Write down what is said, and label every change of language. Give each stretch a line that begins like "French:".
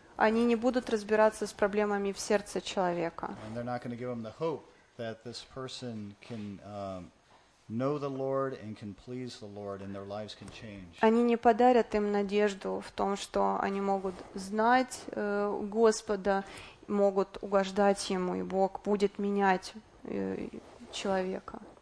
Russian: Они не будут разбираться с проблемами в сердце человека.
English: And they're not going to give them the hope that this person can know the Lord and can please the Lord and their lives can change.
Russian: Они не подарят им надежду в том, что они могут знать Господа, могут угождать ему, и Бог будет менять человека.